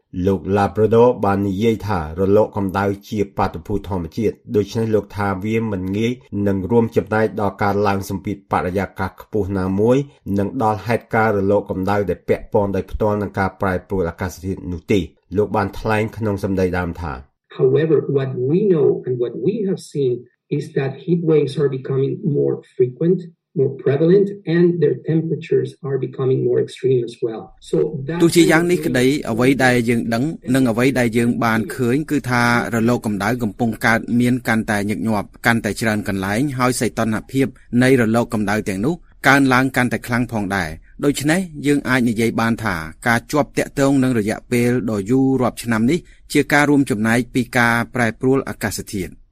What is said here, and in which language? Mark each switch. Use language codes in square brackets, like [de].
[km] ។លោក Labrador បាននិយាយថារលកកម្ដៅជាបាតុភូតធម្មជាតិដូច្នេះលោកថាវាមិនងាយនឹងរួមចំណែកដល់ការឡើងសម្ពាធបរិយាកាសខ្ពស់ណាមួយនិងដល់ហេតុការណ៍រលកកម្ដៅដែលពាក់ព័ន្ធដោយផ្ទាល់នឹងការប្រែប្រួលអាកាសធាតុនោះទេលោកបានថ្លែងក្នុងសម្ដីដើមថា [en] However what we know and what we have seen is that heat waves are becoming more frequent. More prevalent and their temperatures are becoming more extreme as well. So [km] ទោះជាយ៉ាងនេះក្តីអ្វីដែលយើងដឹងនិងអ្វីដែលយើងបានឃើញគឺថារលកកម្ដៅកំពុងកើតមានកាន់តែញឹកញាប់កាន់តែច្រើនកន្លែងហើយសីតុណ្ហភាពនៃរលកកម្ដៅទាំងនោះកើនឡើងកាន់តែខ្លាំងផងដែរដូច្នេះយើងអាចនិយាយបានថាការជាប់ទាក់ទងនឹងរយៈពេលដ៏យូររាប់ឆ្នាំនេះជាការរួមចំណែកពីការប្រែប្រួលអាកាសធាតុ